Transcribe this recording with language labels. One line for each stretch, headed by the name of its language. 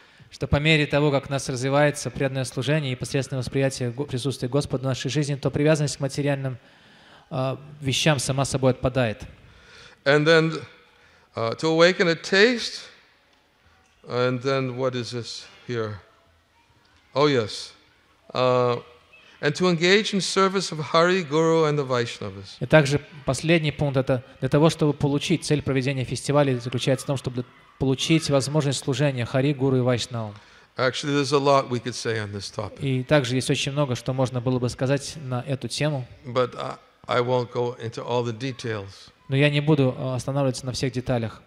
Russian: Что по мере того, как у нас развивается преданное служение и посредственное восприятие присутствия Господа в нашей жизни, то привязанность к материальным вещам сама собой отпадает.
English: And then to awaken a taste, and then what is this here? Oh yes. And to engage in service of Hari, Guru, and the Vaishnavas.
Russian: И также последний пункт это для того, чтобы получить цель проведения фестиваля заключается в том, чтобы получить возможность служения Хари, Гуру и Вайшнавам.
English: Actually, there's a lot we could say on this topic.
Russian: И также есть очень много, что можно было бы сказать на эту тему.
English: But I won't go into all the details.
Russian: Но я не буду останавливаться на всех деталях.